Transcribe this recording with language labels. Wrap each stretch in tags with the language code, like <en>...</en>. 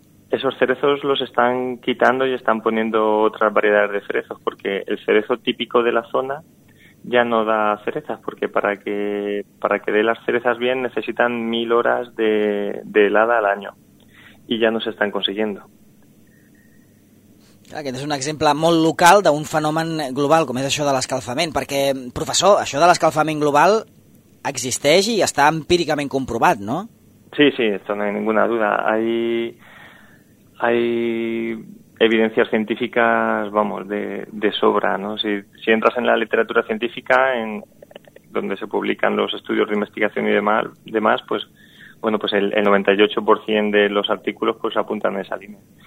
<es>esos cerezos los están quitando y están poniendo otras variedades de cerezos, porque el cerezo típico de la zona ya no da cerezas, porque para que dé las cerezas bien necesitan 1000 horas de helada al año, y ya no se están consiguiendo.</es> <ca>Aquest és un exemple molt local d'un fenomen global, com és això de l'escalfament, perquè, professor, això de l'escalfament global existeix i està empíricament comprovat, no?</ca> <es>Sí, sí, esto no hay ninguna duda. Hay evidencias científicas, vamos, de sobra, ¿no? Si entras en la literatura científica, en donde se publican los estudios de investigación y demás, pues bueno, pues el 98% de los artículos pues apuntan a esa línea.</es>